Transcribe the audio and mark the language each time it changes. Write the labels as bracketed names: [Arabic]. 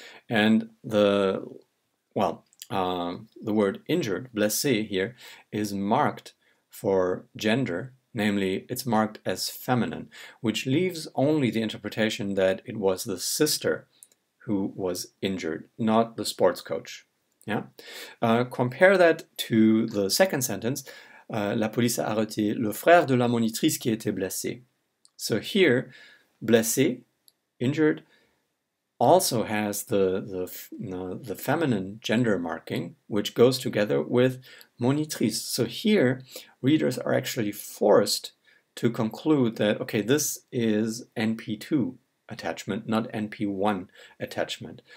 [English] And the word injured, blessé here, is marked for gender, namely it's marked as feminine, which leaves only the interpretation that it was the sister who was injured, not the sports coach. Yeah. Compare that to the second sentence, [French] la police a arrêté le frère de la monitrice qui était blessé. [English] So here, blessé, injured, also has the feminine gender marking, which goes together with monitrice. So here, readers are actually forced to conclude that, okay, this is NP2 attachment, not NP1 attachment.